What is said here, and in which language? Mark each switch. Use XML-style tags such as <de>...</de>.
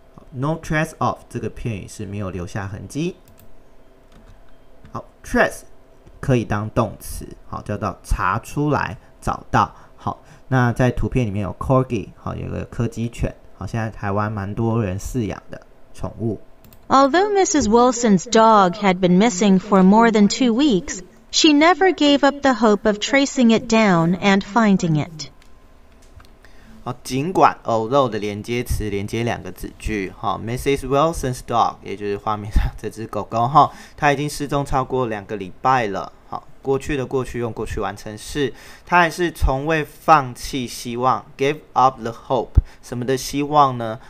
<zh>No trace of 这个片语是没有留下痕迹。好 ，trace 可以当动词，好叫做查出来、找到。好，那在图片里面有 corgi， 好有个柯基犬，好现在台湾蛮多人饲养的宠物。</zh> <en>Although Mrs. Wilson's dog had been missing for more than 2 weeks, she never gave up the hope of tracing it down and finding it.</en> <zh>好，尽管 although 的连接词连接两个子句，好 ，Mrs. Wilson's dog， 也就是画面上这只狗狗，哈，它已经失踪超过两个礼拜了，好，过去的过去用过去完成式，它还是从未放弃希望 ，</zh> <en>give up the hope，</en> <zh>什么的希望呢？</zh>